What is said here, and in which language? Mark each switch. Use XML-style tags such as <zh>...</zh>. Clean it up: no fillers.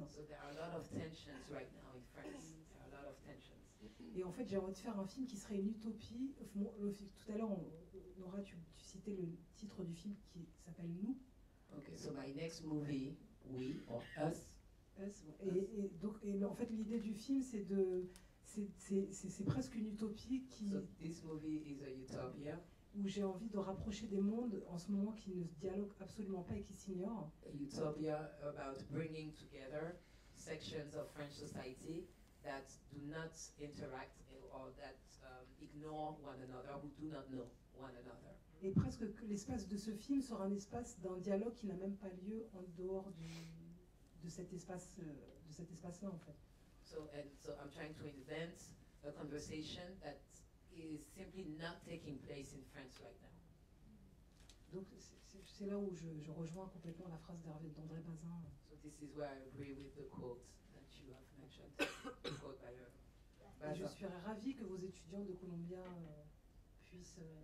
<en>So there are a lot of tensions right now in France. There are a lot of tensions.</en> <fr>Et en fait, j'ai envie de faire un film qui serait une utopie. Tout à l'heure, Nora, tu citais le titre du film qui s'appelle Nous.</fr> <en>Okay, so my next movie, We or Us. Us.</en> <fr>Et en fait, l'idée du film, c'est de... C'est presque une utopie qui.</fr> <en>So this movie is a utopia.</en> <fr>Où j'ai envie de rapprocher des mondes en ce moment qui ne dialoguent absolument pas et qui s'ignorent.</fr> <en>A utopia about bringing together sections of French society that do not interact or that ignore one another, who do not know one another.</en> <fr>Et presque que l'espace de ce film sera un espace d'un dialogue qui n'a même pas lieu en dehors de cet espace-là en fait.</fr> <en>So I'm trying to invent a conversation that is simply not taking place in France right now.</en> <fr>Donc c'est là où je rejoins complètement la phrase d'André Bazin.</fr> <en>So this is where I agree with the quote that you have mentioned. The quote by Bazin.</en> <fr>Je suis ravi que vos étudiants de Columbia puissent.</fr>